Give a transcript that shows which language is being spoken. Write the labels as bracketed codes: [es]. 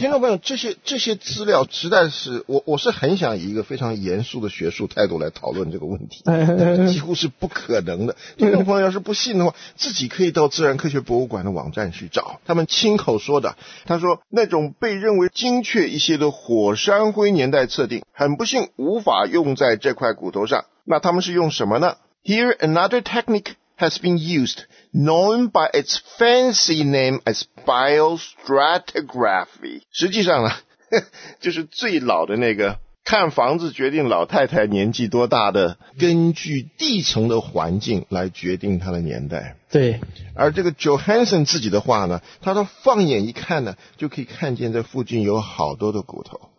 [zh] 听众朋友，这些资料实在是我是很想以一个非常严肃的学术态度来讨论这个问题，几乎是不可能的。听众朋友要是不信的话，自己可以到自然科学博物馆的网站去找，他们亲口说的。他说那种被认为精确一些的火山灰年代测定，很不幸无法用在这块骨头上。那他们是用什么呢？ [en] Here another technique has been used, known by its fancy name as biostratigraphy. [zh] 实际上呢，就是最老的那个看房子决定老太太年纪多大的，根据地层的环境来决定她的年代。对，而这个 Johansson 自己的话呢，他说放眼一看呢，就可以看见这附近有好多的骨头。